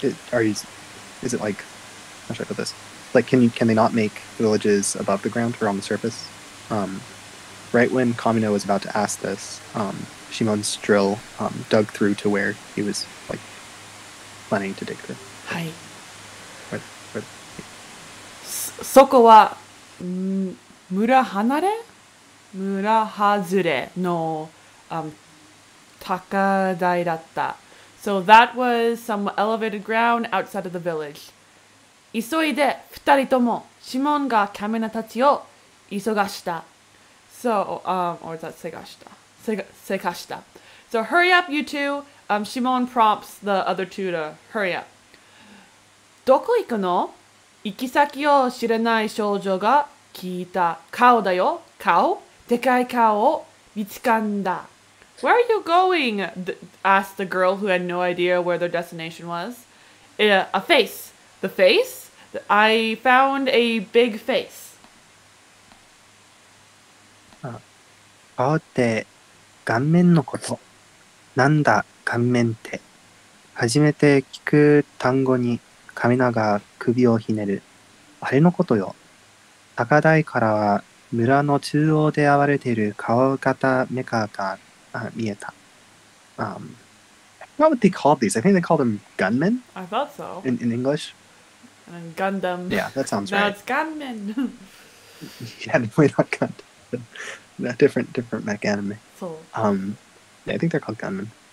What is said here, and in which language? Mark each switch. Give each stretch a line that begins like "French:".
English: Is it like, I'm not sure about this. Like, can they not make villages above the ground or on the surface? Right when Kamino was about to ask this, Shimon's drill dug through to where he was like planning to dig through. Hi. Where?
Japanese: そこは村離れ村外れの高台だった。
English: So that was some elevated ground outside of the village.
Japanese: 急いで二人ともシモンがカメナたちを急がした。
English: So, or is that Segashita? Segashita. So hurry up, you two. Shimon prompts the other two to hurry up.
Japanese: どこ行くの? 行き先を知らない少女が聞いた。顔だよ。顔。でかい顔を見つかんだ。
English: Where are you going? Asked the girl who had no idea where their destination was. A face. The face? I found a big face.
Japanese: 顔って顔面のこと。なんだ顔面って。初めて聞く単語にカミナが首をひねる。あれのことよ。高台からは村の中央で現れている顔型メカが見えた。
English: I forgot what they called these. I think they called them gunmen? I thought so. In English? Gundam. Yeah, that sounds right. Now it's gunmen. Yeah, definitely not Gundam. Different mech anime. So, yeah, I think they're called gunmen.